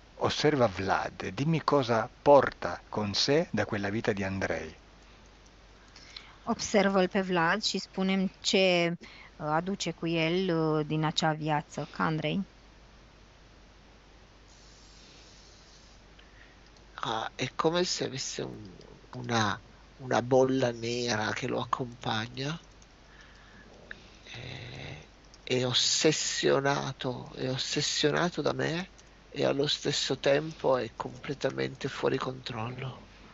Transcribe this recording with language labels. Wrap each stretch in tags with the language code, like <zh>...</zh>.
<it>Osserva Vlad, dimmi cosa porta con sé da quella vita di Andrei.</it> <ro>Observă-l pe Vlad și spunem ce aduce cu el din acea viață, ca Andrei.</ro> <it>è come se avesse una bolla nera che lo accompagna. È ossessionato da me e allo stesso tempo è completamente fuori controllo.</it>